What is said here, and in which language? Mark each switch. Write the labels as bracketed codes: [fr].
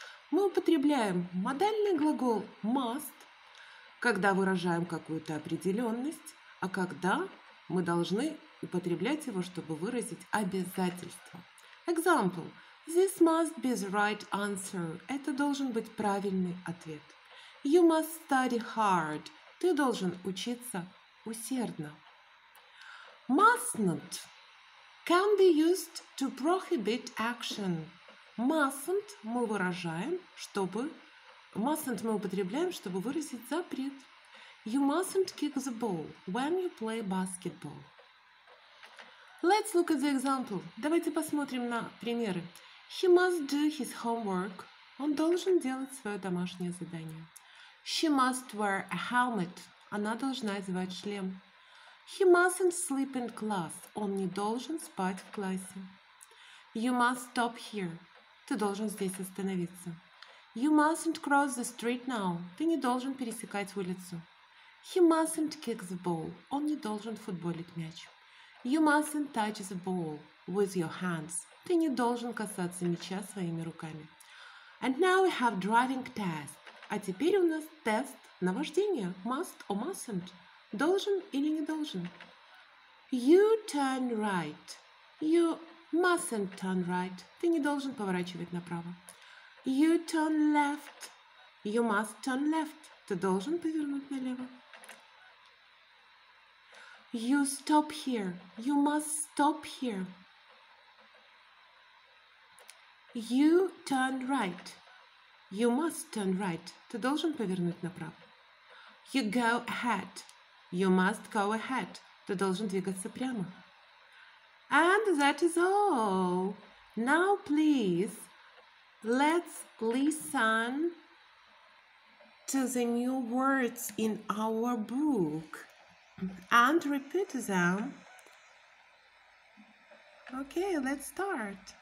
[ru] Мы употребляем модальный глагол must, когда выражаем какую-то определенность, а когда мы должны употреблять его, чтобы выразить обязательство. [en] Example. This must be the right answer. [ru] Это должен быть правильный ответ. [en] You must study hard. [ru] Ты должен учиться усердно. [en] Must not can be used to prohibit action. [ru] Mustn't мы выражаем, чтобы... Mustn't мы употребляем, чтобы выразить запрет. [en] You mustn't kick the ball when you play basketball. Let's look at the example. [ru] Давайте посмотрим на примеры. [en] He must do his homework. [ru] Он должен делать свое домашнее задание. [en] She must wear a helmet. [ru] Она должна одевать шлем. [en] He mustn't sleep in class. [ru] Он не должен спать в классе. [en] You must stop here. [ru] Ты должен здесь остановиться. [en] You mustn't cross the street now. [ru] Ты не должен пересекать улицу. [en] He mustn't kick the ball. [ru] Он не должен футболить мяч. [en] You mustn't touch the ball with your hands. [ru] Ты не должен касаться мяча своими руками. [en] And now we have driving test. [ru] А теперь у нас тест на вождение. [en] Must or mustn't. [ru] Должен или не должен? [en] You turn right. You mustn't turn right. [ru] Ты не должен поворачивать направо. [en] You turn left. You must turn left. [ru] Ты должен повернуть налево. [en] You stop here. You must stop here. You turn right. You must turn right. [ru] Ты должен повернуть направо. [en] You go ahead. You must go ahead. [ru] Ты должен двигаться прямо. [en] And that is all. Now, please, let's listen to the new words in our book and repeat them. Okay, let's start.